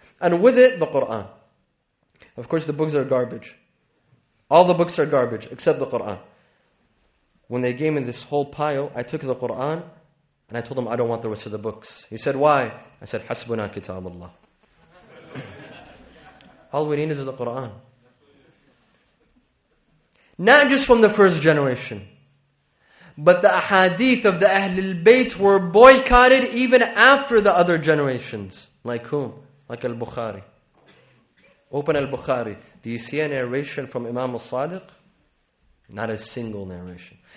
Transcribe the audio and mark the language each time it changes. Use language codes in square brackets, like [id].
[en] And with it, the Qur'an. Of course, the books are garbage. All the books are garbage, except the Qur'an. When they gave me this whole pile, I took the Qur'an, and I told him, I don't want the rest of the books. He said, why? I said, [ar] حَسْبُنَا كِتَابُ اللَّهِ. [en] All we need is the Qur'an. Not just from the first generation, but the ahadith of the Ahlul Bayt were boycotted even after the other generations. Like whom? Like Al-Bukhari. Open Al-Bukhari. Do you see a narration from Imam Al-Sadiq? Not a single narration.